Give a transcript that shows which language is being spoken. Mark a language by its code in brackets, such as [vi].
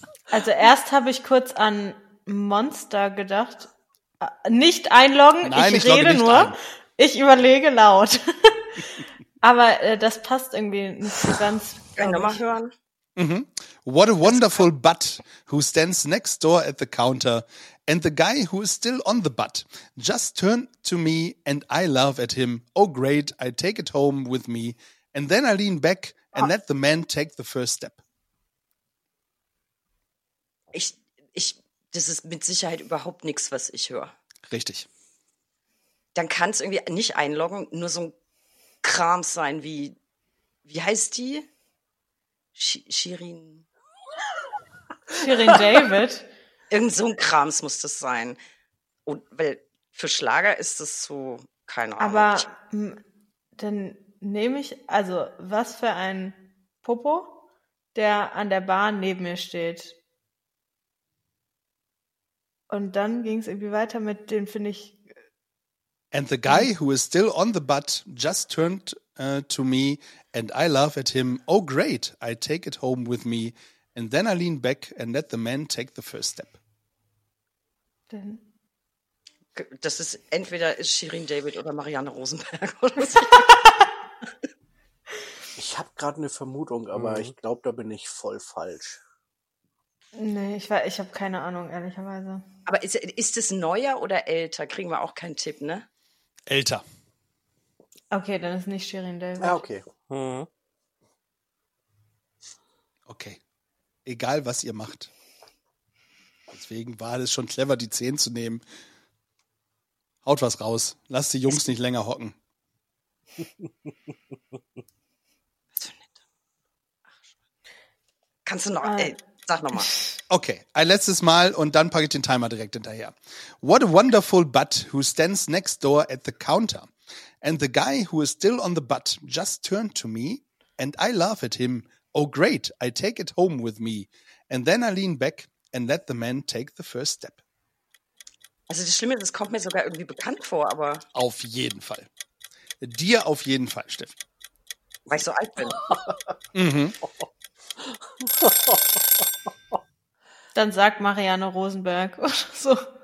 [de] Also erst habe ich kurz an Monster gedacht. Nicht einloggen, Nein, ich rede nicht. Ich überlege laut. Aber das passt irgendwie nicht so ganz. Kann ich nochmal hören? Mm-hmm. [en] What a wonderful butt who stands next door at the counter and the guy who is still on the butt just turned to me and I laugh at him. Oh great, I take it home with me and then I lean back and let the man take the first step. [de] Ich, das ist mit Sicherheit überhaupt nichts, was ich höre. Richtig. Dann kann es irgendwie nicht einloggen, nur so ein Kram sein wie heißt die? Shirin. Shirin David. Irgend so ein Krams muss das sein. Und weil für Schlager ist das so, keine Ahnung. Aber dann nehme ich, also was für ein Popo, der an der Bahn neben mir steht. Und dann ging es irgendwie weiter mit, den finde ich. [en] And the guy who is still on the butt just turned to me and I laugh at him. Oh great, I take it home with me and then I lean back and let the man take the first step. [de] Das ist entweder Shirin David oder Marianne Rosenberg. Ich habe gerade eine Vermutung, aber ich glaube, da bin ich voll falsch. Nee, ich habe keine Ahnung, ehrlicherweise. Aber ist es neuer oder älter? Kriegen wir auch keinen Tipp, ne? Älter. Okay, dann ist nicht Shirin David. Ah, okay. Okay. Egal, was ihr macht. Deswegen war es schon clever, die 10 zu nehmen. Haut was raus. Lasst die Jungs nicht länger hocken. Kannst du noch? Sag nochmal. Okay, ein letztes Mal und dann packe ich den Timer direkt hinterher. [en] What a wonderful butt who stands next door at the counter. And the guy who is still on the butt just turned to me and I laugh at him. Oh great, I take it home with me. And then I lean back and let the man take the first step. [de] Also das Schlimme ist, es kommt mir sogar irgendwie bekannt vor, aber... Auf jeden Fall. Dir auf jeden Fall, Steffen. Weil ich so alt bin. Dann sagt Marianne Rosenberg oder so.